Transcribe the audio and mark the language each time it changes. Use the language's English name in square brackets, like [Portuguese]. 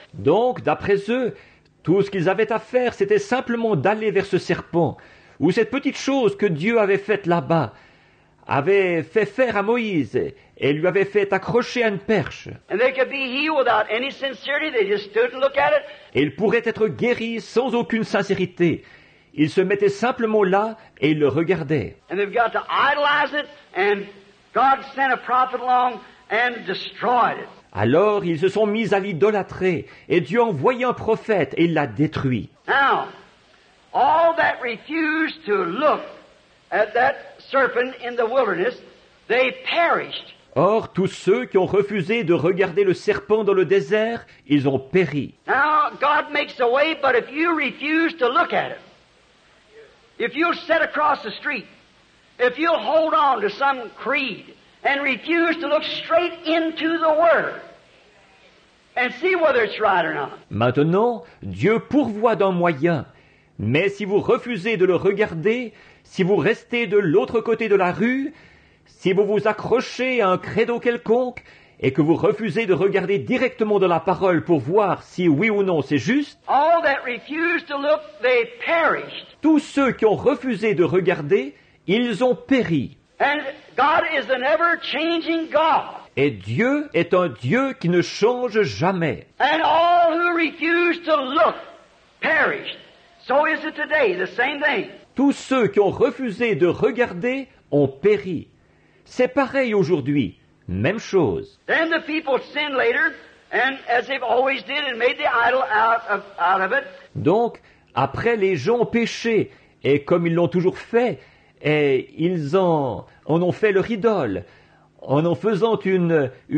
[French] Donc, d'après eux, tout ce qu'ils avaient à faire, c'était simplement d'aller vers ce serpent ou cette petite chose que Dieu avait faite là-bas, avait fait faire à Moïse et lui avait fait accrocher à une perche. [English] And they could be healed without any sincerity. They just stood and looked at it. [French] Et il pourrait être guéri sans aucune sincérité. Il se mettait simplement là et il le regardait. [English] And they've got to idolize it, and God sent a prophet along and destroyed it. [French] Alors ils se sont mis à l'idolâtrer et Dieu a envoyé un prophète et il l'a détruit. [English] Now, all that refused to look at that serpent in the wilderness, they perished. [French] Or, tous ceux qui ont refusé de regarder le serpent dans le désert, ils ont péri. [English] Now, God makes a way, but if you refuse to look at it, if you'll sit across the street, if you'll hold on to some creed and refuse to look straight into the Word and see whether it's right or not. [French] Maintenant, Dieu pourvoit d'un moyen. Mais si vous refusez de le regarder, si vous restez de l'autre côté de la rue, si vous vous accrochez à un credo quelconque et que vous refusez de regarder directement dans la parole pour voir si oui ou non c'est juste, [English] all that refused to look, they perished. [French] Tous ceux qui ont refusé de regarder, ils ont péri. [English] And God is an ever-changing God. [French] Et Dieu est un Dieu qui ne change jamais. [English] And all who refused to look, perished. So is it today, the same thing. [French] Tous ceux qui ont refusé de regarder ont péri. C'est pareil aujourd'hui, même chose. [English] Then the people sinned later, and as they've always did, and made the idol out of it. [French] Donc, après, les gens ont péché, et comme ils l'ont toujours fait, et ils en ont fait leur idole, en faisant une